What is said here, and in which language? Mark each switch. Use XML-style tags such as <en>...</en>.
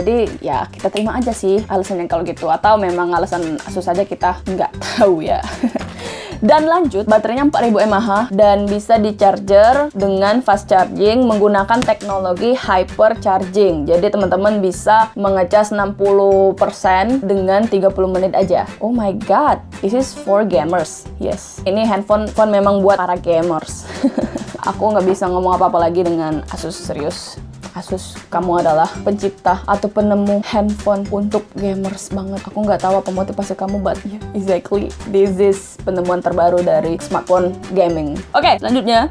<id>Jadi ya kita terima aja sih alasannya kalau gitu, atau memang alasan Asus aja kita nggak tahu ya. Dan lanjut, baterainya 4000 mAh dan bisa di-charger dengan fast charging menggunakan teknologi hyper charging. Jadi teman-teman bisa mengecas 60% dengan 30 menit aja.</id> <en>Oh my god, this is for gamers.</en> <id>Yes, ini handphone memang buat para gamers. Aku nggak bisa ngomong apa-apa lagi dengan Asus, serius. Asus, kamu adalah pencipta atau penemu handphone untuk gamers banget. Aku nggak tahu apa motivasi kamu,</id> <en>but yeah, exactly, this is</en> <id>penemuan terbaru dari smartphone gaming. Oke, selanjutnya.</id>